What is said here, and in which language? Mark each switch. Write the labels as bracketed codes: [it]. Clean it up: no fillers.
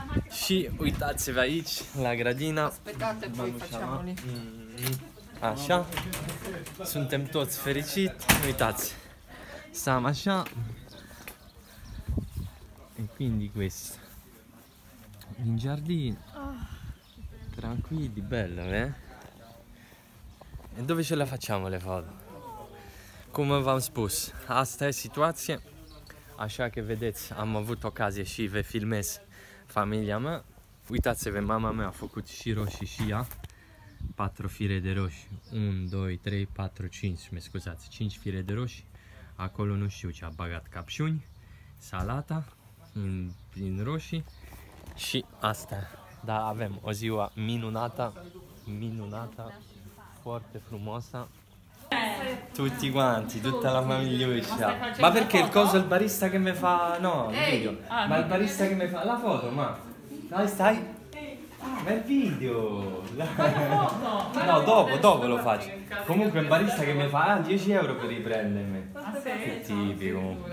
[ro] Și uitați-vă aici, la gradina. [it] Aspettate, poi facciamoli. [ro] Așa. Suntem toți fericiti. Uitați. Stam așa. [it] E quindi questo. In giardino, tranquilli, bello, eh? E dove ce la facciamo le foto? [ro] Come v'am spus, asta [it] è situazione. [ro] Așa [it] che vedete, [ro] am avut ocazie și ve filmez familia mea. Uitați-vă, mama mea a făcut și roșii și ea. 4 fire de roșii. 1, 2, 3, 4, 5, mi scuzați, 5 fire de roșii. Acolo nu știu ce a băgat, capșuni, salata, în roșii. Și asta, da, avem o ziua minunată, foarte frumoasă. [it] Tutti quanti, tutta la famiglia. Ma perché il coso, il barista che mi fa... No, il video. Ma il barista che mi fa... La foto, ma... Dai, stai. Ma il video. No, dopo lo faccio. Comunque il barista che mi fa 10 euro per riprendermi. Che tipico.